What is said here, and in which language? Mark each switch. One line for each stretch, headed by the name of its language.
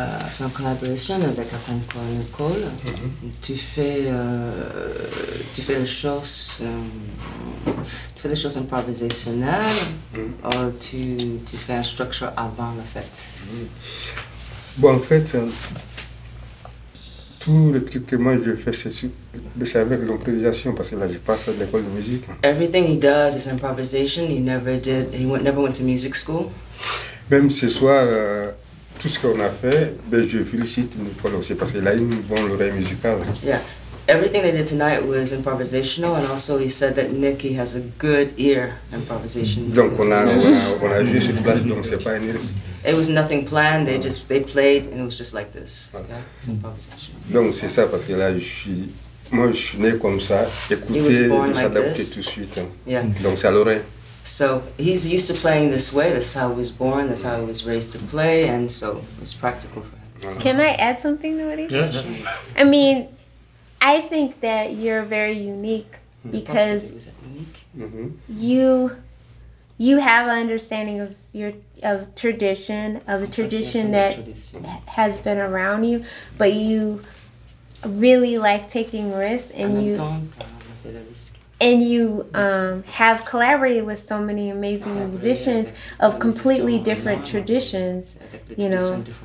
French: C'est une collaboration avec Afan Kwame Nicole. Tu fais les choses improvisationnelles ou tu fais une structure avant la fête? Bon, en fait, tout le truc que moi je fais, c'est avec l'improvisation parce que là, j'ai pas fait d'école de musique.
English: Everything he does is improvisation. He never went to music school.
French: Même ce soir, tout ce qu'on a fait, ben, je félicite Nicole aussi parce qu'il a une bonne oreille musicale.
English: Yeah. everything they did tonight was improvisational, and also he said that Nicky has a good ear improvisation.
French: Donc on a joué sur place, donc c'est pas une
English: It was nothing planned. They played, and it was just like this. Okay, it's improvisation.
French: Donc c'est ça parce que là je suis moi je suis né comme ça, écouter, s'adapter tout de suite.
English: Yeah.
French: Donc c'est à l'oreille.
English: So he's used to playing this way. That's how he was born. That's how he was raised to play, and so it's practical for him. Can I add something to what he said? Yeah. I mean, I think that you're very unique because you have an understanding of tradition that has been around you, but you really like taking risks and you have collaborated with so many amazing musicians of completely different traditions, you know.